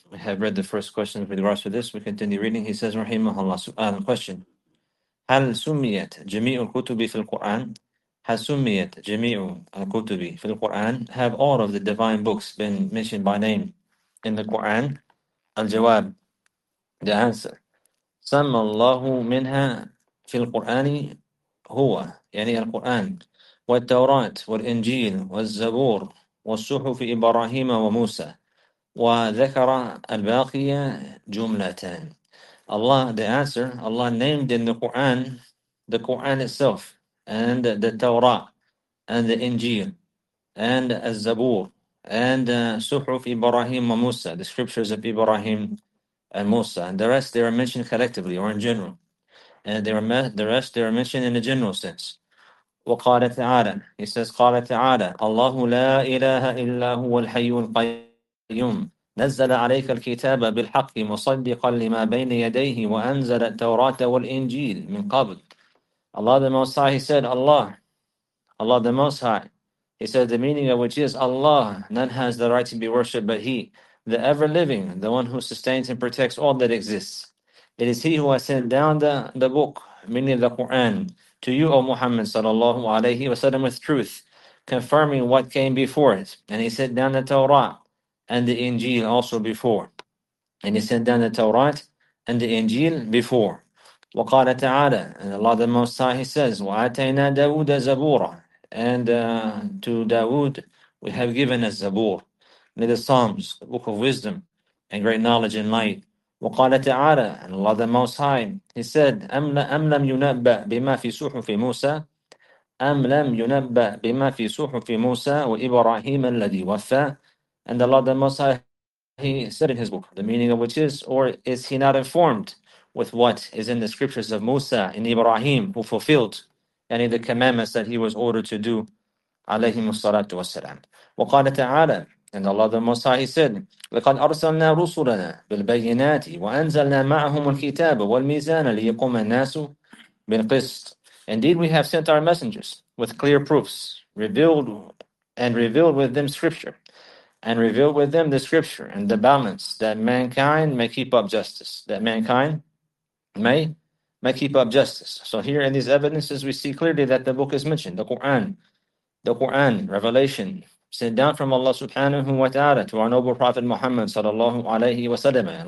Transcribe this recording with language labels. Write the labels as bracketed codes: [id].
[en] We have read the first question with regards to this. We continue reading. He says, "Rahimahullah." Su'al, question: [ar] هل سميت جميع الكتب في القرآن؟ [en] هل سميت جميع الكتب في القرآن؟ Have all of the divine books been mentioned by name in the Quran? الجواب: The answer. [ar] سمى الله منها في القرآن هو يعني القرآن والتوراة والإنجيل والزبور والصحف إبراهيم وموسى وذكر الباقية جملتان. [en] Allah, the answer, Allah named in the Quran itself, and the Torah, and the Injil, and al-Zabur, and Suhuf Ibrahim wa Musa, the scriptures of Ibrahim and Musa, and the rest they are mentioned collectively or in general, and the rest they are mentioned in a general sense. [ar] وقال تعالى, [en] he says, [ar] قال تعالى, الله لا إله إلا هو الحي القيوم, نزل عليك الكتاب بالحق مصدقا لما بين يديه وأنزل التوراة والإنجيل من قبل. [en] Allah the Most High, he said, Allah the Most High, he said, the meaning of which is Allah, none has the right to be worshipped but He, the ever-living, the one who sustains and protects all that exists. It is He who has sent down the book, meaning the Qur'an, to you, O Muhammad sallallahu alayhi wa sallam, with truth, confirming what came before it. And he sent down the Torah and the Injil also before. And he sent down the Torah and the Injil before. [ar] وَقَالَ تَعَالَى, [en] and Allah the Most High, he says, [ar] وَآتَيْنَا دَاوُدَ زَبُورًا, [en] and to Dawood we have given a Zabur, the Psalms, the Book of Wisdom and Great Knowledge and Light. [ar] وقال تعالى, [en] and Allah the Most High, He said, [ar] أَمْ لَمْ يُنَبَّأْ بِمَا فِي صُحُفِ مُوسَى أَمْ لَمْ يُنَبَّأْ بِمَا فِي صُحُفِ مُوسَى وَإِبْرَاهِيمَ الَّذِي وَفَّى. [en] And Allah the Most High, He said in His book, the meaning of which is, or is He not informed with what is in the scriptures of Musa and Ibrahim, who fulfilled any of the commandments that He was ordered to do, [ar] عليهم الصلاة والسلام. وقال تعالى, [en] and Allah the Most High, He said, [ar] لَقَدْ أَرْسَلْنَا رُسُلَنَا بِالْبَيِّنَاتِ وَأَنزَلْنَا مَعَهُمُ الْكِتَابَ وَالْمِيزَانَ لِيَقُومَ النَّاسُ بِالْقِسْطِ. [en] Indeed, we have sent our messengers with clear proofs, revealed with them scripture, and revealed with them the scripture and the balance, that mankind may keep up justice, that mankind may keep up justice. So here in these evidences, we see clearly that the book is mentioned, the Quran, revelation, sent down from Allah subhanahu wa ta'ala to our noble Prophet Muhammad sallallahu alayhi wa sallam.